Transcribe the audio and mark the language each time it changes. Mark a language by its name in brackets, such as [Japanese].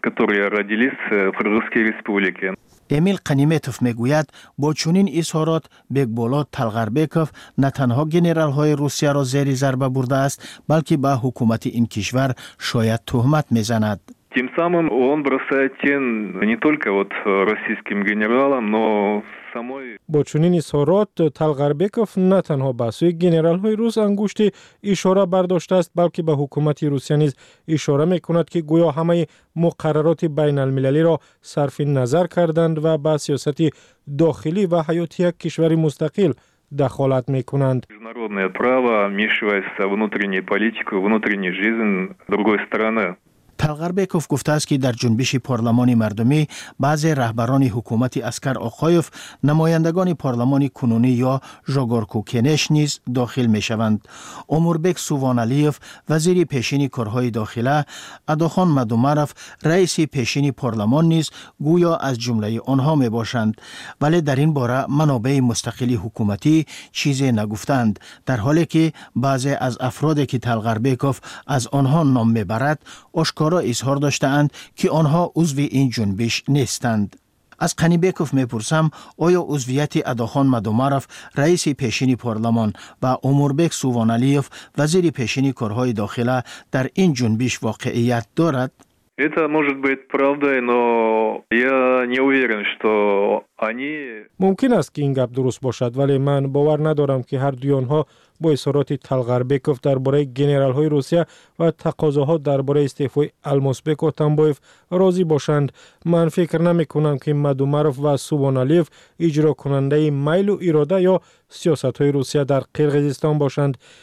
[Persian] امیل قنیمتوف میگوید با چنین اظهارات بکبولات تلغربیکوف نه تنها جنرال های روسیه را زیر ضربه برده است، بلکه به حکومت این کشور شاید تهمت میزند. [Russian] Тем самым он бросает тень не только вот российским генералам, но самой [Tajik] Бо чунин исорот Талгарбеков на танҳо ба сӯи генералҳои рус ангушти ишора бардоштааст, балки ба ҳукумати Русия низ ишора мекунад ки гӯё ҳамаи муқаррароти байналмилалиро сарфи назар карданд ва ба сиёсати дохилӣ ва ҳаёти як кишвари мустақил дахолат мекунанд. [Russian] Международное право вмешивается в внутреннюю политику, внутреннюю жизнь другой страны. [Persian] تلغربیکوف گفته است که در جنبش پارلمانی مردمی بعضی رهبران حکومت اسکر اوقایف نمایندگان پارلمان کنونی یا ژاگورکو کنش نیز داخل می شوند. امربیک سووانالیف وزیر پیشین کارهای داخله، اداخان مدومرف رئیس پیشین پارلمان نیز گویا از جمله آنها می باشند، ولی در این باره منابع مستقل حکومتی چیزی نگفتند، در حالی که بعضی از افرادی که تلغربیکوف از آنها نام می برد کارا اظهار داشتند که آنها عضو این جنبش نیستند. از قنیبکوف میپرسم آیا عضویت اداخان مدومرف رئیس پیشین پارلمان و امربیک سووانالیف وزیر پیشین کارهای داخله در این جنبش واقعیت دارد؟ [Russian] Это может быть правдой, но я не уверен, что они [Persian] ممکن است که این گپ درست باشد، ولی من باور ندارم که هر دوی آنها با اظهارات تلغربیکوف درباره جنرال های روسیه و تقاضاها درباره استعفای الماسبک و تنبایف راضی باشند. من فکر نمی کنم که مدومروف و سووانالیف اجرا کننده میل و اراده یا سیاست های روسیه در قرقیزستان باشند.